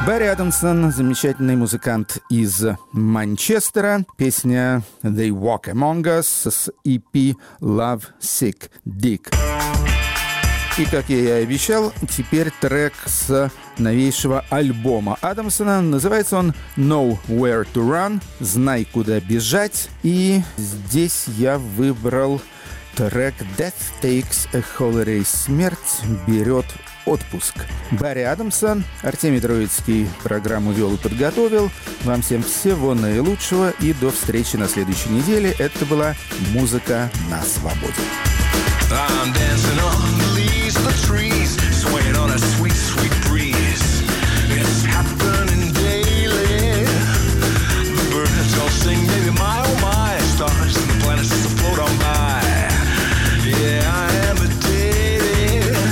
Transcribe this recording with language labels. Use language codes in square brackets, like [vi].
[ru] Адамсон, замечательный музыкант из Манчестера. Песня «They Walk Among Us» с EP «Love Sick Dick». И, как я и обещал, теперь трек с новейшего альбома Адамсона. Называется он «Know Where to Run» – «Знай, куда бежать». И здесь я выбрал трек «Death Takes a Holiday» – «Смерть берет отпуск». Барри Адамсон, Артемий Троицкий программу вел и подготовил. Вам всем всего наилучшего и до встречи на следующей неделе. Это была «Музыка на свободе». [en] I'm dancing on the leaves of the trees, swaying on a sweet, sweet breeze. It's happening daily. The birds all sing, maybe my oh my. Stars and the planets just float on by. Yeah, I am a deity.